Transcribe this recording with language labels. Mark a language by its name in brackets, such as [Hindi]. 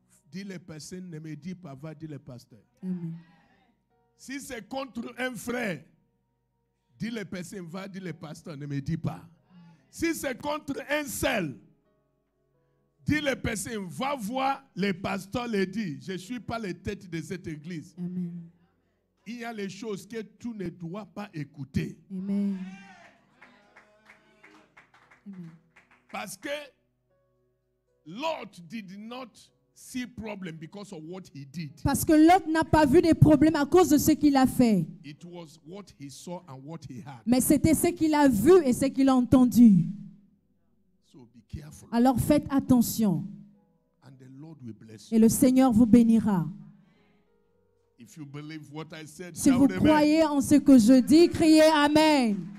[French] Dis les personnes, ne me dis pas, va dire le pasteur. Si c'est contre un frère, dis les personnes, va dire le pasteur, ne me dis pas. Si c'est contre un seul, dis les personnes, va voir les pasteurs, les dit, je ne suis pas la tête de cette église. Amen. Il y a les choses que tu ne dois pas écouter. Amen. Parce que [English] Lot did not see problem because of what he did. [French] Parce que Lot n'a pas vu des problèmes à cause de ce qu'il a fait. [English] It was what he saw and what he had. [French] Mais c'était ce qu'il a vu et ce qu'il a entendu. [English] So be careful. [French] Alors faites attention. [English] And the Lord will bless you. [French] Et le Seigneur vous bénira. [English] If you believe what I said, [French] si vous croyez amen en ce que je dis, criez amen.